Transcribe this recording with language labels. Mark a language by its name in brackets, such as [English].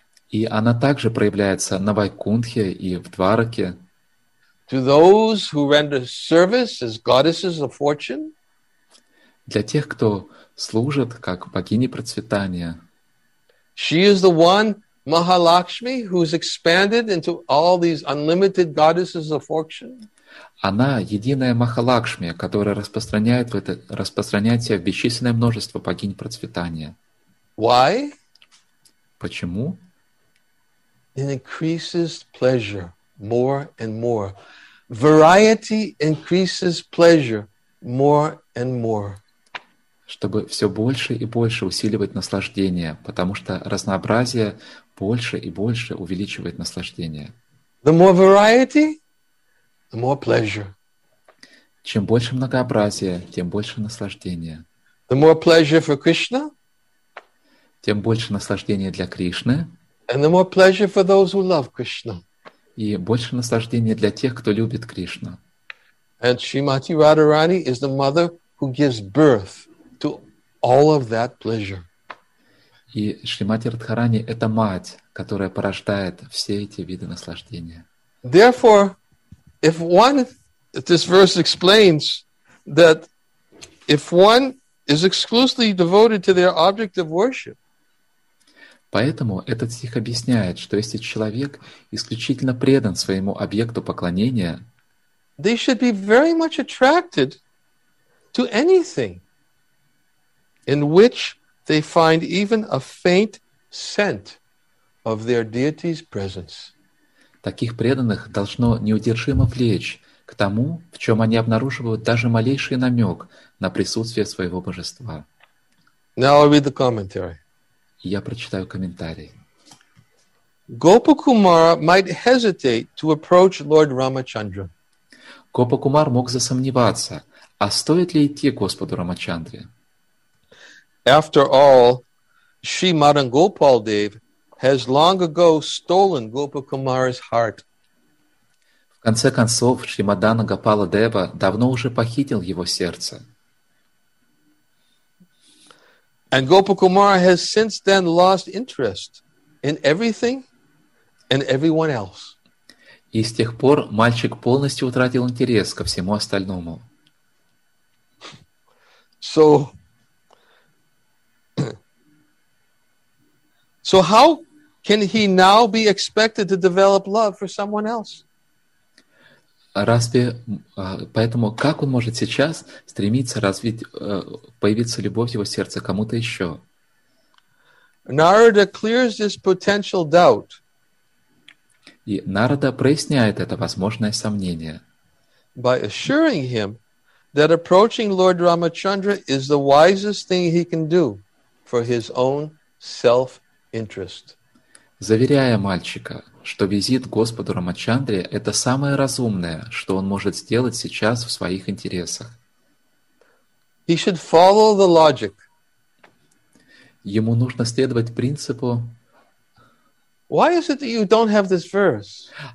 [Russian] И она также проявляется на Вайкунтхе и в Двараке. [English] To those who render service as goddesses of fortune. [Russian] Для тех, кто служит как богини процветания. [English] She is the one Mahalakshmi, who's expanded into all these unlimited goddesses of fortune. [Russian] Она единая Махалакшми, которая распространяет себя в бесчисленное множество богинь процветания. [English] Why? [Russian] Почему? [English] It increases pleasure more and more. Variety increases pleasure more and more. [Russian] Чтобы все больше и больше усиливать наслаждение, потому что разнообразие больше и больше увеличивает наслаждение. [English] The more variety, the more pleasure. [Russian] Чем больше многообразия, тем больше наслаждения. [English] The more pleasure for Krishna, [Russian] тем больше наслаждения для Кришны. [English] And the more pleasure for those who love Krishna. [Russian] И больше наслаждения для тех, кто любит Кришну. [English] And Shrimati Radharani is the mother who gives birth to all of that pleasure. [Russian] И Шримати Радхарани — это мать, которая порождает все эти виды наслаждения. [English] Therefore, if one, this verse explains that if one is exclusively devoted to their object of worship. [Russian] Поэтому этот стих объясняет, что если человек исключительно предан своему объекту поклонения, [English] they should be very much attracted to anything in which they find even a faint scent of their deity's presence. [Russian] Таких преданных должно неудержимо влечь к тому, в чем они обнаруживают даже малейший намек на присутствие своего божества. [English] Now I'll read the commentary. [Russian] Я прочитаю комментарий. [English] Gopakumara might hesitate to approach Lord Ramachandra. [Russian] Gopakumar мог засомневаться, а стоит ли идти к Господу Рамачандре? [English] After all, Shri Madan Gopal Dev has long ago stolen Gopakumara's heart. [Russian] В В конце концов, Шримадана Гопала Дева давно уже похитил его сердце. [English] And Gopa Kumara has since then lost interest in everything and everyone else. [Russian] И с тех пор мальчик полностью утратил интерес ко всему остальному. [English] So how can he now be expected to develop love for someone else? [Russian] Разве поэтому как он может сейчас стремиться развить появиться любовь в его сердце кому-то еще? [English] Narada clears this potential doubt. [Russian] И Нарада проясняет это возможное сомнение. [English] By assuring him that approaching Lord Ramachandra is the wisest thing he can do for his own self-interest. [Russian] Заверяя мальчика, что визит к Господу Рамачандре — это самое разумное, что он может сделать сейчас в своих интересах. [English] He should follow the logic. [Russian] Ему нужно следовать принципу. [English] Why is it that you don't have this verse?